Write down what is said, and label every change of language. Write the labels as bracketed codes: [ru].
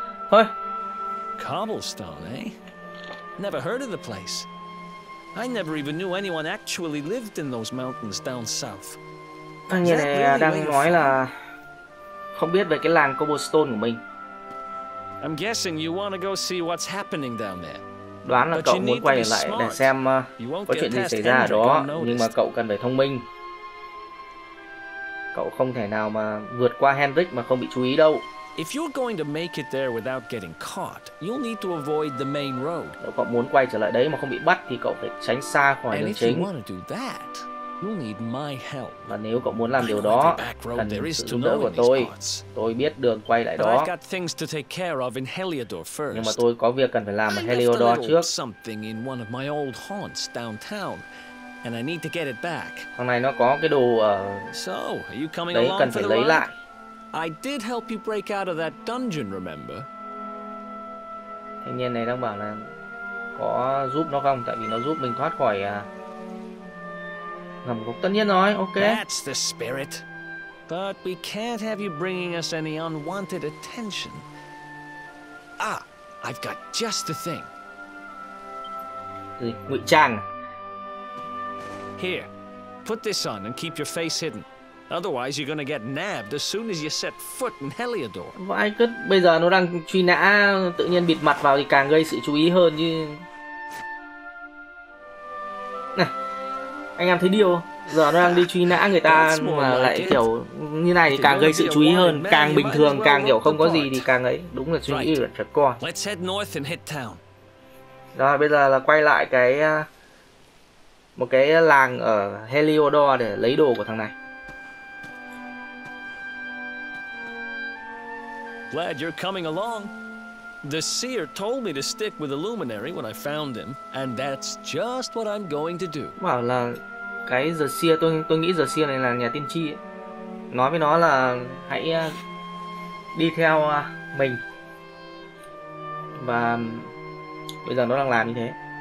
[vi] Thôi. [en] Cobblestone, eh? Never heard of the place. I never even knew anyone actually lived in those mountains down south. [vi] Thằng nhà này đang nói là không biết về cái làng Cobblestone của mình. [en] I'm guessing you want to go see what's happening down there. [vi] Đoán là cậu muốn quay lại để xem có chuyện gì xảy ra ở đó, nhưng mà cậu cần phải thông minh. Cậu không thể nào mà vượt qua Hendrik mà không bị chú ý đâu. [en] If you're going to make it there without getting caught, you'll need to avoid the main road. [vi] Nếu cậu muốn quay trở lại đấy mà không bị bắt thì cậu phải tránh xa khỏi đường chính. [en] If you want to do that, you'll need my help. [vi] Và nếu cậu muốn làm điều đó, cần sự giúp đỡ của tôi biết đường quay lại đó. [en] But I got things to take care of in Heliodor first. Nhưng mà tôi có việc cần phải làm ở Heliodor trước. Something in one of my old haunts downtown. And I need to get it back. [vi] Thằng này nó có cái đồ [en] So, are you coming [vi] đấy, [en] along [vi] cần phải lấy lại. [en] I did help you break out of that dungeon, remember? [vi] Thanh niên này đang bảo là có giúp nó không? Tại vì nó giúp mình thoát khỏi ngầm cục. Tất nhiên rồi, ok. [en] That's the spirit. But we can't have you bringing us any unwanted attention. Ah, I've got just the thing. [vi] Ngụy trang. [en] Here, put this on and keep your face hidden. Otherwise, you're gonna get nabbed as soon as you set foot in Heliodor. [vi] Vãi cứt, bây giờ nó đang truy nã, tự nhiên bịt mặt vào thì càng gây sự chú ý hơn chứ. Này, anh em thấy điều không? Giờ nó đang đi truy nã người ta mà lại kiểu như này thì càng gây sự chú ý hơn, càng bình thường, càng kiểu không có gì thì càng ấy. Đúng là suy nghĩ của trẻ con. [en] Let's head north and hit town. [vi] Rồi bây giờ là quay lại cái một cái làng ở Heliodor để lấy đồ của thằng này. [en] Glad you're coming along. The seer told me to stick with the luminary when I found him, and that's just what I'm going to do. [vi] Bảo là cái giờ xia, tôi nghĩ giờ xia này là nhà tiên tri ấy. Nói với nó là hãy đi theo mình. Và bây giờ nó đang làm như thế.